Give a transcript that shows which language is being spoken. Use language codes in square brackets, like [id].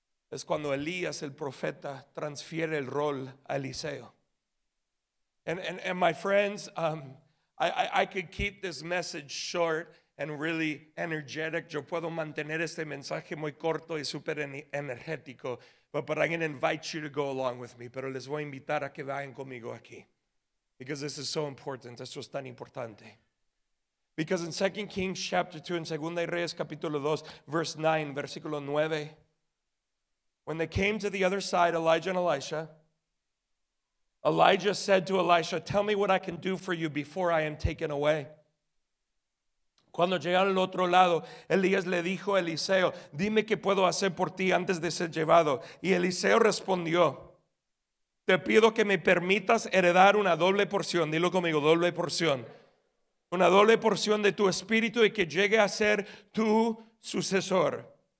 [es] Es cuando Elías el profeta transfiere el rol a Eliseo. [en] And my friends, I could keep this message short and really energetic. [es] Yo puedo mantener este mensaje muy corto y super energético, [en] but I'm going to invite you to go along with me. [es] Pero les voy a invitar a que vayan conmigo aquí. [en] Because this is so important. [es] Esto es tan importante. [en] Because in 2 Kings chapter 2, [es] en Segunda de Reyes capítulo 2, [en] verse 9, [es] versículo 9, [en] when they came to the other side, Elijah and Elisha, Elijah said to Elisha, tell me what I can do for you before I am taken away. [es] Cuando llegaron al otro lado, Elías le dijo a Eliseo, dime qué puedo hacer por ti antes de ser llevado. Y Eliseo respondió, te pido que me permitas heredar una doble porción. Dilo conmigo, doble porción. Una doble porción de tu espíritu y que llegue a ser tu sucesor.